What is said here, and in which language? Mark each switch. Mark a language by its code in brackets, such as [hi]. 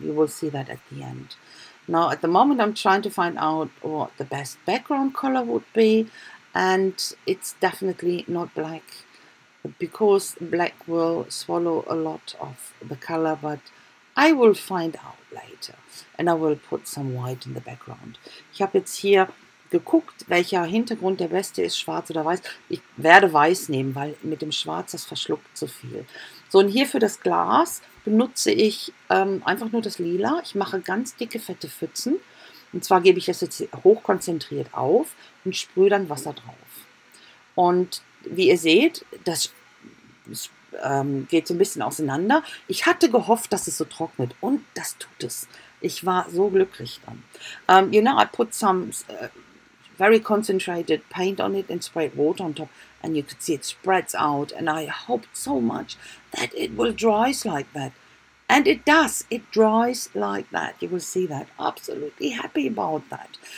[en] You will see that at the end. Now at the moment I'm trying to find out what the best background color would be, and it's definitely not black, because black will swallow a lot of the color, but I will find out later, and I will put some white in the background. [de] Ich habe jetzt hier geguckt, welcher Hintergrund der beste ist, schwarz oder weiß. Ich werde weiß nehmen, weil mit dem Schwarz das verschluckt zu viel. So, und hier für das Glas benutze ich einfach nur das Lila. Ich mache ganz dicke, fette Pfützen, und zwar gebe ich das jetzt hochkonzentriert auf und sprühe dann Wasser drauf. Und wie ihr seht, das geht so ein bisschen auseinander. Ich hatte gehofft, dass es so trocknet, und das tut es. Ich war so glücklich dann. [en] You know, I put some very concentrated paint on it and sprayed water on top, and you could see it spreads out, and I hoped so much that it will dry like that. And it does. It dries like that. You will see that. Absolutely happy about that.